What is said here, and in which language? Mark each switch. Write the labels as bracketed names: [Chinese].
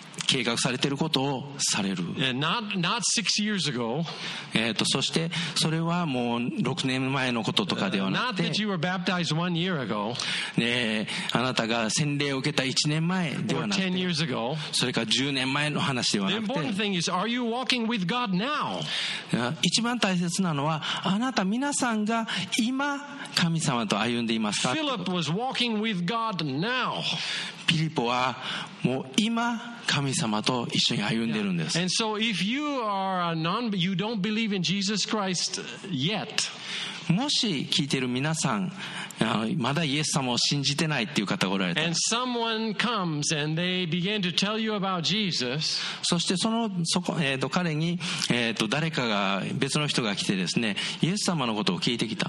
[Japanese] 計画されていることをされる。 [English] not 6 years ago、 [Japanese] そしてそれはもう6年前のこととかではなくて、 [English] not that you were baptized 1 year ago、 [Japanese] あなたが洗礼を受けた1年前ではなくて、 [English] or 10 years ago、 [Japanese] それか10年前の話ではなくて、 [English] the important thing is are you walking with God now、 [Japanese] 一番大切なのはあなた皆さんが今神様と歩んでいますか。 [English] Philip was walking with God now。 [Japanese] ピリポはもう今神様と一緒に歩んでるんです。 [English] And so if you are a non, you don't believe in Jesus Christ yet、 [Japanese] もし聞いてる皆さん、まだイエス様を信じてないっていう方がおられた。 [English] And someone comes and they begin to tell you about Jesus。 [Japanese] そしてそこ、彼に、誰かが別の人が来てですね、イエス様のことを聞いてきた。